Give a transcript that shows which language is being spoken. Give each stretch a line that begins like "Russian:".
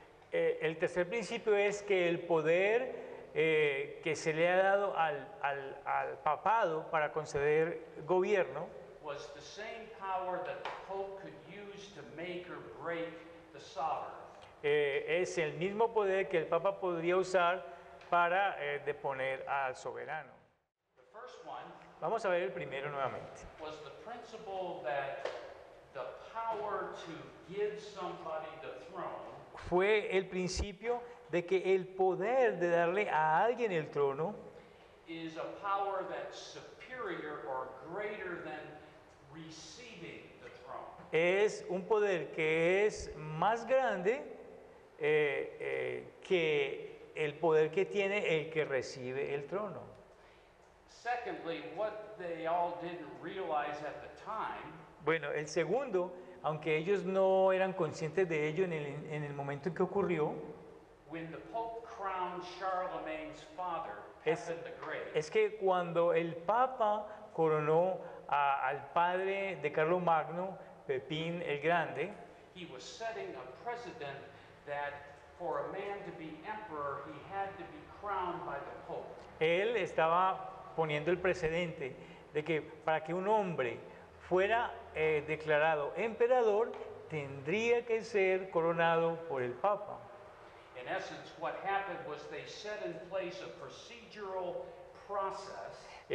Spanish: El tercer principio es que el poder que se le ha dado al papado para conceder gobierno
English: was the same power that the Pope could to make or break the sovereign.
Spanish: Es el mismo poder que el Papa podría usar para deponer al soberano.
English: The first one,
Spanish: vamos a ver el primero nuevamente.
English: Was the principle that the power to give somebody the throne.
Spanish: Fue el principio de que el poder de darle a alguien el trono
English: is a power that's superior or greater than receiving.
Spanish: Es un poder que es más grande que el poder que tiene el que recibe el trono.
English: Secondly, what they all didn't realize at the time,
Spanish: bueno, el segundo, aunque ellos no eran conscientes de ello en el momento en que ocurrió,
English: when the Pope crowned Charlemagne's father, Pepin the Great,
Spanish: es que cuando el Papa coronó al padre de Carlos Magno, Pepín el Grande,
English: he was setting a precedent that for a man to be emperor he had to be crowned by the Pope.
Spanish: Él estaba poniendo el precedente de que para que un hombre fuera declarado emperador tendría que ser coronado por el Papa.
English: In essence, what happened was they set in place a procedural process.